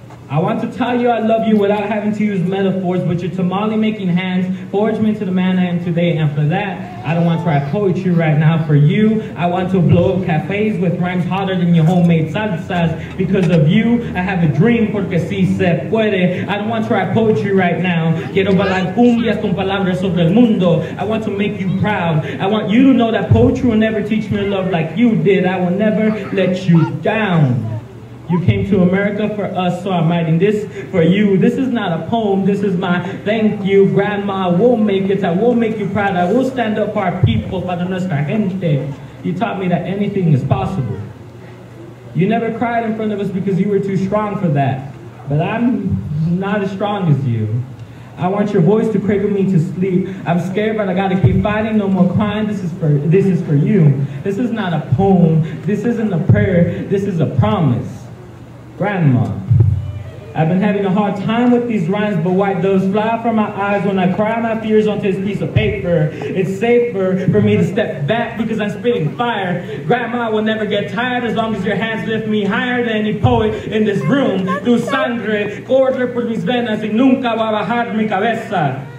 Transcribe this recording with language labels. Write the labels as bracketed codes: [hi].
[en] I want to tell you I love you without having to use metaphors, but your tamale-making hands forged me into the man I am today, and for that, I don't want to write poetry right now. For you, I want to blow up cafes with rhymes hotter than your homemade salsas. Because of you, I have a dream, [es] porque si se puede. [en] I don't want to write poetry right now. [es] Quiero bailar cumbias con palabras sobre el mundo. [en] I want to make you proud. I want you to know that poetry will never teach me love like you did. I will never let you down. You came to America for us, so I'm writing this for you. This is not a poem, this is my thank you. Grandma, we'll make it, I will make you proud. I will stand up for our people, [es] para nuestra gente. [en] You taught me that anything is possible. You never cried in front of us because you were too strong for that. But I'm not as strong as you. I want your voice to cradle me to sleep. I'm scared, but I gotta keep fighting. No more crying. This is for you. This is not a poem. This isn't a prayer. This is a promise. Grandma, I've been having a hard time with these rhymes, but white doves fly from my eyes when I cry my fears onto this piece of paper. It's safer for me to step back because I'm spitting fire. Grandma will never get tired as long as your hands lift me higher than any poet in this room. [es] Tu sangre corre por mis venas y nunca va a bajar mi cabeza.